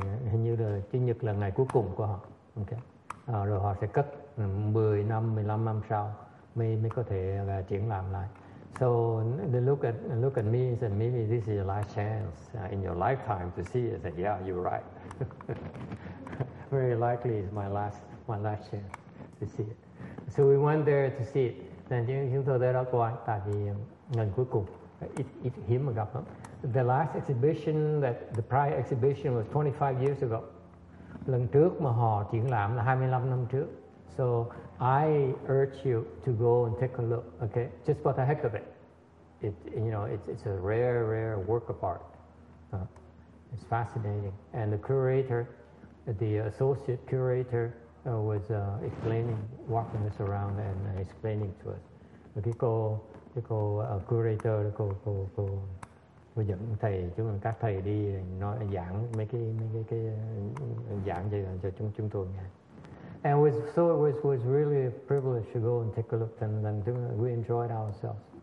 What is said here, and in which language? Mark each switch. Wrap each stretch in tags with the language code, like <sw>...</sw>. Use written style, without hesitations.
<vi>Hình như là chủ nhật là ngày cuối cùng của họ. Okay. Rồi họ sẽ cất 10 năm, 15 năm sau mới có thể triển lãm lại.</vi> <en>So they look at me and said, maybe this is your last chance in your lifetime to see it. I said, yeah, you're right. Very likely it's my last chance to see it. So we went there to see it. Then</en> <vi>chúng tôi tới đó coi, tại vì lần cuối cùng, ít hiếm mà gặp lắm.</vi> <en>The last exhibition, the prior exhibition was 25 years ago.</en> <vi>Lần trước mà họ triển lãm là 25 năm trước.</vi> <en>So I urge you to go and take a look, okay? Just for the heck of it. It's a rare, rare work of art. It's fascinating. And the curator, the associate curator, was explaining, walking us around and explaining to us.</en> <vi>Cái cô curator, cô và dẫn thầy chúng mình các thầy đi nói giảng mấy cái giảng cho chúng tôi nghe.</vi> <en>And it was really a privilege to go and take a look, and we enjoyed ourselves.</en>